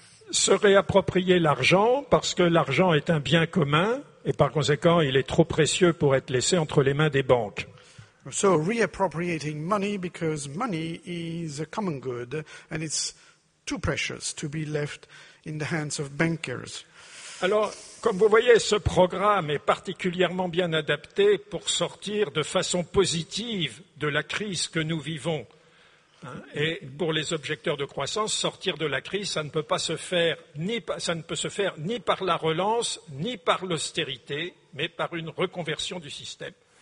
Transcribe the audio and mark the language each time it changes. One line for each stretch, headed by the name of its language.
French: Se réapproprier l'argent parce que l'argent est un bien commun et par conséquent il est trop précieux pour être laissé entre les mains des banques.
English: So reappropriating money because money is a common good and it's too precious to be left in the hands of bankers.
French: Alors, comme vous voyez, ce programme est particulièrement bien adapté pour sortir de façon positive de la crise que nous vivons. Et pour les objecteurs de croissance, sortir de la crise, ça ne peut se faire ni par la relance, ni par l'austérité, mais par une reconversion du système.